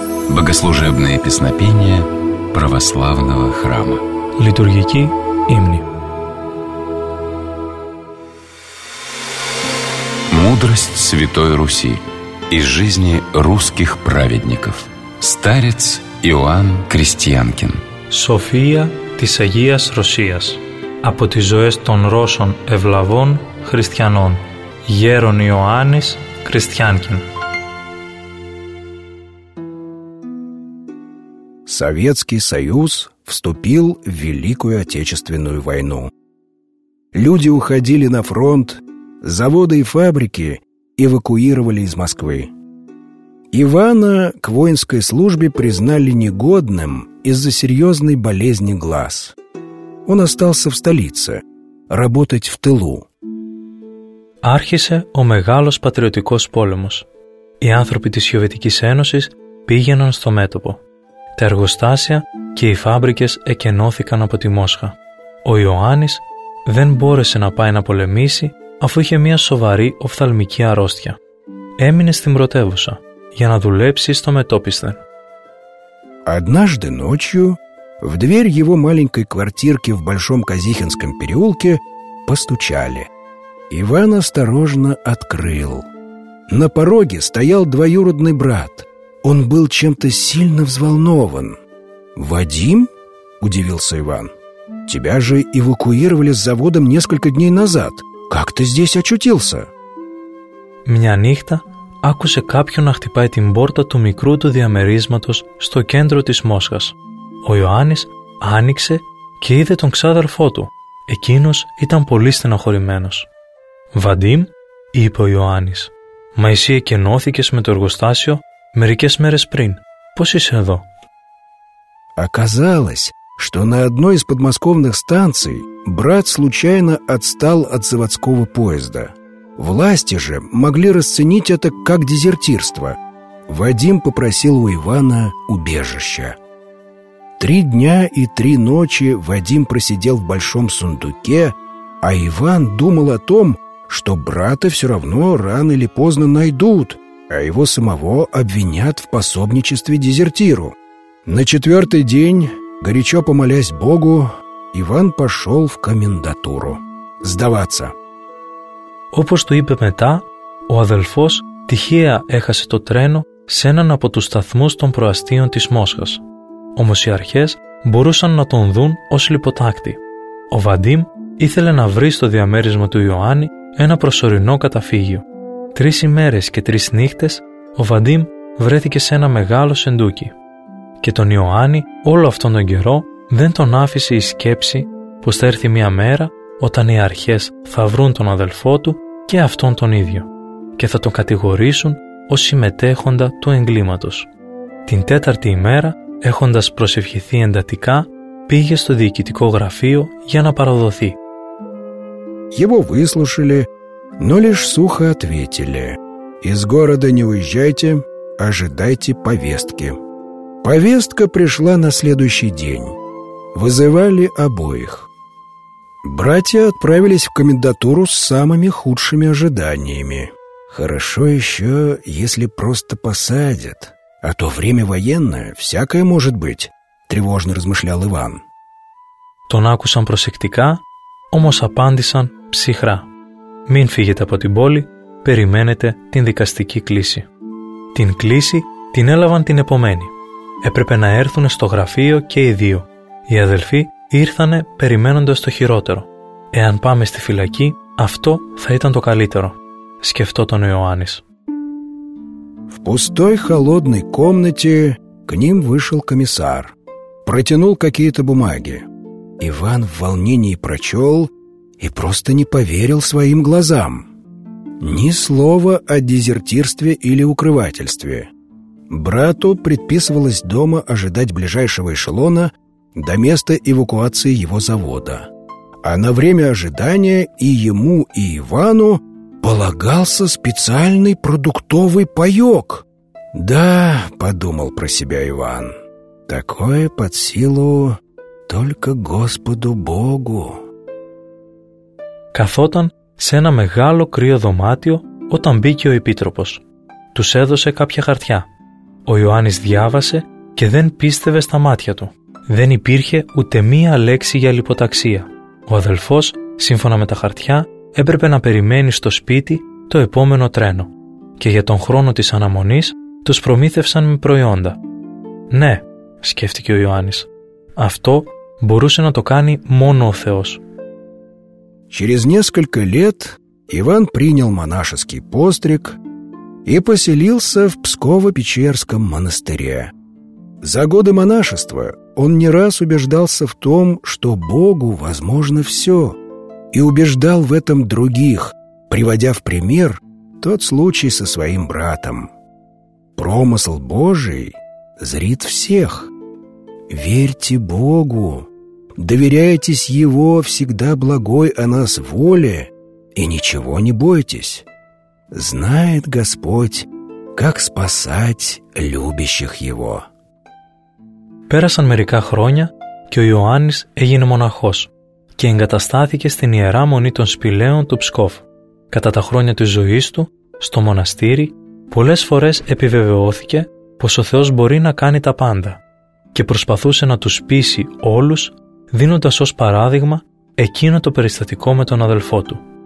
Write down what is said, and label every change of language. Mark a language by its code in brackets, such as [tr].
[ru] Богослужебные песнопения православного храма. [el] Литургики имни. [ru] Мудрость Святой Руси из жизни русских праведников. Старец Иоанн Крестьянкин. [el] София της Агίας Ρωσίας. Από τις ζωές των Ρώσων ευλαβών χριστιανών. Γέρον Ιωάννης Крестьянкин. [ru] Советский Союз вступил в Великую Отечественную войну. Люди уходили на фронт, заводы и фабрики эвакуировали из Москвы. Ивана к воинской службе признали негодным из-за серьезной болезни глаз. Он остался в столице, работать в тылу. [el] Άρχισε ο μεγάλος πατριωτικός πόλεμος. Οι άνθρωποι της Σοβιετικής Ένωσης πήγαιναν στο μέτωπο. Τα εργοστάσια και οι φάμπρικες εκενώθηκαν από τη Μόσχα. Ο Ιωάννης δεν μπόρεσε να πάει να πολεμήσει αφού είχε μια σοβαρή οφθαλμική αρρώστια. Έμεινε στην πρωτεύουσα για να δουλέψει στο μετόπιστε. [ru] Однажды ночью в дверь его маленькой квартирки в Большом Казихинском переулке постучали. Иван осторожно открыл. На пороге стоял двоюродный брат. Он был чем-то сильно взволнован. «Вадим?» – удивился Иван. Тебя же эвакуировали с заводом несколько дней назад. Как ты здесь очутился?» [el] Меня нихта άκουσε κάποιον να χτυπάει την πόρτα του μικρού του διαμερίσματος στο κέντρο της Μόσχας. Ο Ιωάννης άνοιξε και είδε τον ξάδερφό του. Εκείνος ήταν πολύ στενοχωρημένος. «Βαντίμ», είπε ο Ιωάννης, «μα εσύ εκενώθηκες με το εργοστάσιο μερικές μέρες πριν. Πώς είσαι εδώ?» [ru] «Оказалось, что на одной из подмосковных станций брат случайно отстал от заводского поезда. Власти же могли расценить это как дезертирство. Вадим попросил у Ивана убежища. 3 дня и 3 ночи Вадим просидел в большом сундуке, а Иван думал о том, что брата все равно рано или поздно найдут, а его самого обвинят в пособничестве дезертиру. На 4-й день, горячо помолясь Богу, Иван пошел в комендатуру сдаваться». [el] Όπως του είπε μετά, ο αδελφός τυχαία έχασε το τρένο σε έναν από τους σταθμούς των προαστίων της Μόσχας. Όμως οι αρχές μπορούσαν να τον δουν ως λιποτάκτη. Ο Βαντίμ ήθελε να βρει στο διαμέρισμα του Ιωάννη ένα προσωρινό καταφύγιο. 3 ημέρες και 3 νύχτες ο Βαντίμ βρέθηκε σε ένα μεγάλο σεντούκι. Και τον Ιωάννη όλο αυτόν τον καιρό δεν τον άφησε η σκέψη πως θα έρθει μια μέρα όταν οι αρχές θα βρουν τον αδελφό του και αυτόν τον ίδιο και θα τον κατηγορήσουν ως συμμετέχοντα του εγκλήματος. Την 4η ημέρα, έχοντας προσευχηθεί εντατικά, πήγε στο διοικητικό γραφείο για να παραδοθεί. [ru] Его выслушали, но лишь сухо ответили: «Из города не уезжайте, ожидайте повестки». Повестка пришла на следующий день. Вызывали обоих. Братья отправились в комендатуру с самыми худшими ожиданиями. Хорошо еще, если просто посадят. А то время военное, всякое может быть, тревожно размышлял Иван. [el] Τον άκουσαν προσεκτικά, όμως απάντησαν ψυχρά. Μην φύγετε από την πόλη, περιμένετε την δικαστική κλίση. Την κλίση την έλαβαν την επομένη. Έπρεπε να έρθουν στο γραφείο και οι δύο. Οι αδελφοί ήρθανε περιμένοντας το χειρότερο. «Εάν πάμε στη φυλακή, αυτό θα ήταν το καλύτερο», σκεφτόταν ο Ιωάννης. [ru] В пустой холодной комнате к ним вышел комиссар. Протянул какие-то бумаги. Иван в волнении прочел и просто не поверил своим глазам. Ни слова о дезертирстве или укрывательстве. Брату предписывалось дома ожидать ближайшего эшелона до места эвакуации его завода. А на время ожидания и ему, и Ивану полагался специальный продуктовый паёк. «Да», — подумал про себя Иван, — «такое под силу только Господу Богу». [el] Καθόταν σε ένα μεγάλο κρύο δωμάτιο όταν μπήκε ο επίτροπος. Τους έδωσε κάποια χαρτιά. Ο Ιωάννης διάβασε και δεν πίστευε στα μάτια του. Δεν υπήρχε ούτε μία λέξη για λιποταξία. Ο αδελφός, σύμφωνα με τα χαρτιά, έπρεπε να περιμένει στο σπίτι το επόμενο τρένο και για τον χρόνο της αναμονής τους προμήθευσαν με προϊόντα. «Ναι», σκέφτηκε ο Ιωάννης, «αυτό μπορούσε να το κάνει μόνο ο Θεός». [ru] Через несколько лет Иван принял монашеский постриг и поселился в Псково-Печерском монастыре. За годы монашества он не раз убеждался в том, что Богу возможно все, и убеждал в этом других, приводя в пример тот случай со своим братом. Промысл Божий зрит всех. Верьте Богу, доверяйтесь Его всегда благой о нас воле и ничего не бойтесь. Знает Господь, как спасать любящих Его». [el] Πέρασαν μερικά χρόνια και ο Ιωάννης έγινε μοναχός και εγκαταστάθηκε στην Ιερά Μονή των Σπηλαίων του Ψκόφ. Κατά τα χρόνια της ζωής του, στο μοναστήρι, πολλές φορές επιβεβαιώθηκε πως ο Θεός μπορεί να κάνει τα πάντα και προσπαθούσε να τους πείσει όλους, δίνοντας ως παράδειγμα εκείνο το περιστατικό με τον αδελφό του.